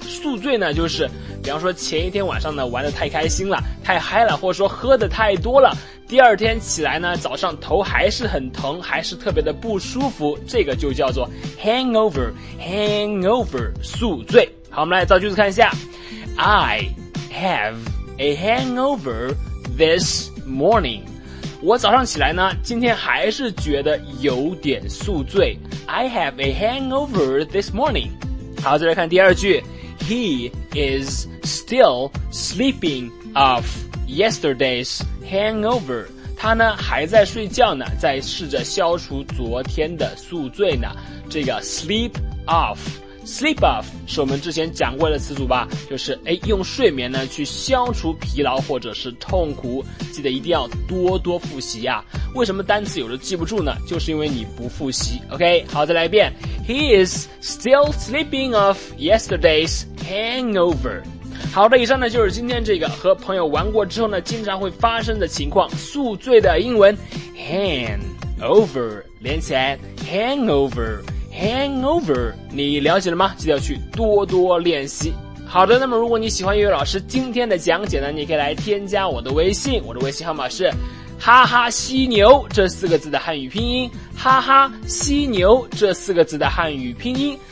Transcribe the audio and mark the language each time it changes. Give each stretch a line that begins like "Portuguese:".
Chinese: 宿醉呢就是比方说前一天晚上呢玩得太开心了，太嗨了，或者说喝得太多了，第二天起来呢早上头还是很疼，还是特别的不舒服，这个就叫做 hangover 宿醉。好，我们来造句子看一下。
English: I have a hangover this morning。
Chinese: 我早上起来呢今天还是觉得有点宿醉。
English: I have a hangover this morning。好，再来看第二句。 He is still sleeping off yesterday's hangover。
Chinese: 他呢还在睡觉呢，在试着消除昨天的宿醉呢。这个 sleep off 是我们之前讲过的词组吧，就是用睡眠呢去消除疲劳或者是痛苦，记得一定要多多复习啊。为什么单词有的记不住呢？就是因为你不复习。OK， 好，再来一遍。
English: He is still sleeping off yesterday's hangover。
Chinese: 好的，以上呢就是今天这个和朋友玩过之后呢经常会发生的情况，宿醉的英文 hangover， 连起来 hangover， 你了解了吗？记得要去多多练习。好的，那么如果你喜欢悠悠老师今天的讲解呢，你可以来添加我的微信，我的微信号码是哈哈犀牛这四个字的汉语拼音，哈哈犀牛这四个字的汉语拼音。